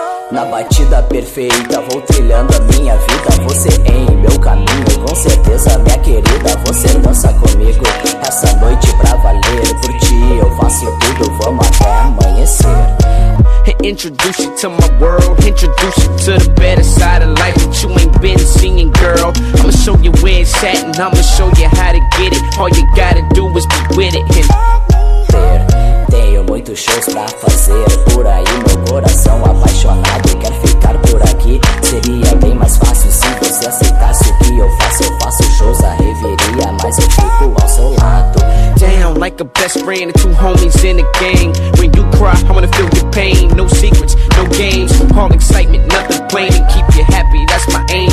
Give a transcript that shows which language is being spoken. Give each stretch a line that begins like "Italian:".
Portuguese: Na batida perfeita, vou trilhando a minha vida. Você é em meu caminho, com certeza, minha querida. Você dança comigo essa noite pra valer. Por ti eu faço tudo, vamos até amanhecer.
English: Introduce you to my world. Introduce you to the better side of life that you ain't been seeing, girl. I'ma show you where it's at and I'ma show you how to get it. All you gotta do is be with it and...
Portuguese: Muitos shows pra fazer por aí. Meu coração apaixonado quer ficar por aqui. Seria bem mais fácil se você aceitasse o que eu faço. Eu faço shows a reveria, mas eu fico ao seu lado.
English: Damn, like a best friend and two homies in a gang. When you cry, I wanna feel your pain. No secrets, no games, all excitement, nothing plain. And keep you happy, that's my aim.